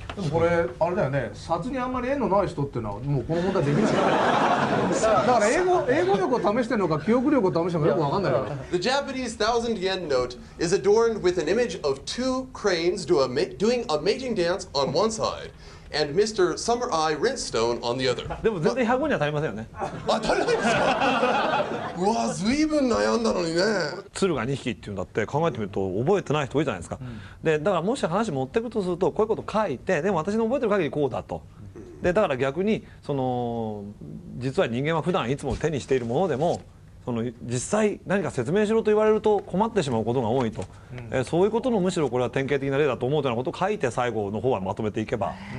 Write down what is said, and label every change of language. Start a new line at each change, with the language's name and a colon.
Japanese: これあれだよね、札にあんまり縁のない人っていうのはもうこの問題できない。だから英語力を試してるのか記憶力を試してるのかよくわかんないから。
English: The Japanese 1,000 yen note is adorned with an image of two cranes doing a mating dance on one side and Mr. Summer Eye Rinstone on the other.
Japanese: でも全然100語には足りませんよね。あ、足りないんですか。うわ、ずいぶん悩んだのにね。鶴が2匹っていうんだって考えてみると覚えてない人多いじゃないですか。で、だからもし話持っていくとするとこういうこと書いて、でも私の覚えてる限りこうだと。で、だから逆にその実は人間は普段いつも手にしているものでもその実際何か説明しろと言われると困ってしまうことが多いと、うん、そういうことのむしろこれは典型的な例だと思うというようなことを書いて最後の方はまとめていけば、う